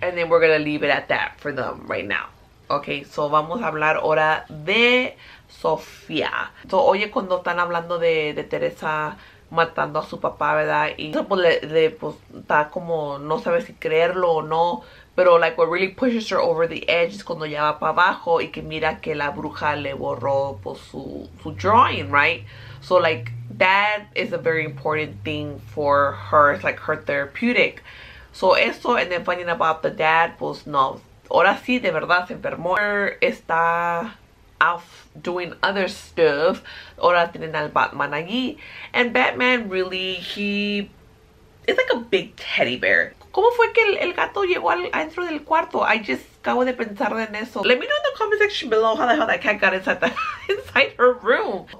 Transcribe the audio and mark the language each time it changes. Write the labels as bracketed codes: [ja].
[en] And then we're gonna leave it at that for them right now. [es] Okay, so vamos a hablar ahora de Sofía. So, oye, cuando están hablando de Teresa matando a su papá, ¿verdad? Y eso, pues, pues, está como, no sabe si creerlo o no. Pero, like, [en] what really pushes her over the edge [es] es cuando ya va para abajo y que mira que la bruja le borró, pues, su drawing, right? [en] So, like, that is a very important thing for her. It's like her therapeutic. So, eso, and then finding about the dad, [es] pues, no. Ahora sí, de verdad, se enfermó. Her está [en] off doing other stuff. [es] Ahora tienen al Batman allí. [en] And Batman, really, he is like a big teddy bear. [es] ¿Cómo fue que el gato llegó adentro del cuarto? [en] I just [es] acabo de pensar en eso. [en] Let me know in the comment section below how the hell that cat got inside her room.